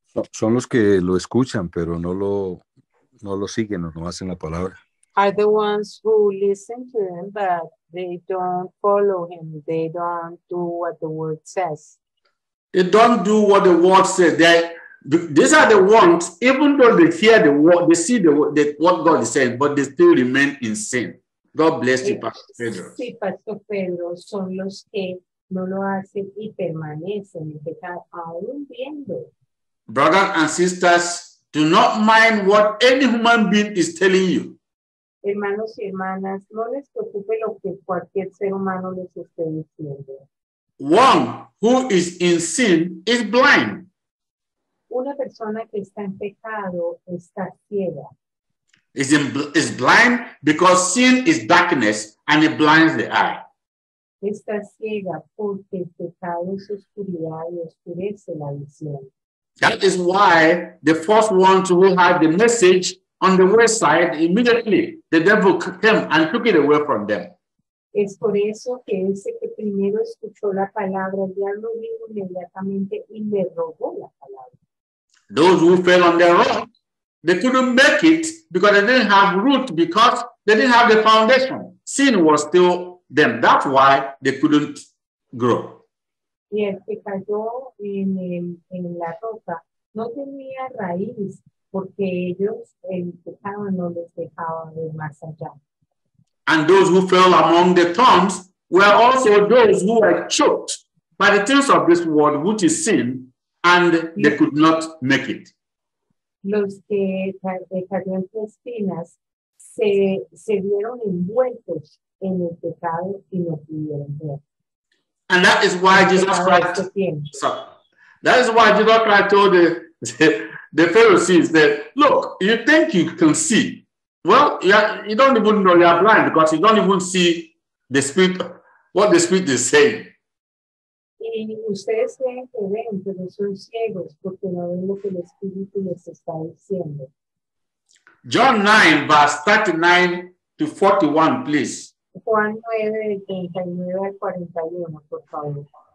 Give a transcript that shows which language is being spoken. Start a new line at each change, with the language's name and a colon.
Spanish: Son los que lo escuchan, pero no lo siguen o no hacen la palabra.
English: Are the ones who listen to him, but they don't follow him. They don't do what the word says. They don't do what the word says. These are the ones, even though they hear the word, they see what God is saying, but they still remain in sin. God bless you, Pastor Pedro.
Spanish: Sí, Pastor Pedro, son los que no lo hacen y permanecen, que están aún viendo.
English: Brothers and sisters, do not mind what any human being is telling you.
Spanish: Hermanos y hermanas, no les preocupe lo que cualquier ser humano les esté diciendo.
English: One who is in sin is blind.
Spanish: Una persona que está en pecado está ciega.
English: Is blind because sin is darkness and it blinds the eye.
Spanish: Está ciega porque el pecado es oscuridad y oscurece la visión.
English: That is why the first ones will have the message on the wayside immediately. The devil came and took it away from them.
Spanish: Es por eso que ese que primero escuchó la palabra ya lo vino inmediatamente y le robó la palabra.
English: Those who fell on their rock, they couldn't make it because they didn't have root, because they didn't have the foundation. Sin was still them. That's why they couldn't grow.
Spanish: Y el que cayó en la roca no tenía raíz porque ellos empezaban, no les dejaban ver más allá.
English: And those who fell among the thorns were also those who were choked by the things of this world, which is sin, and they could not make it.
Spanish: Los que cayeron entre espinas se vieron envueltos en el pecado y no pudieron ver.
English: And that is why Jesus Christ. That is why Jesus Christ told the Pharisees that, look, you think you can see. Well, yeah, you don't even know you are blind because you don't even see the spirit, what the spirit is saying.
Spanish: Y ustedes creen que ven, pero son ciegos porque no ven lo que el Espíritu les está diciendo.
English: John 9, verse 39 to 41, please.
Spanish: Juan 9, 39 al 41, por favor.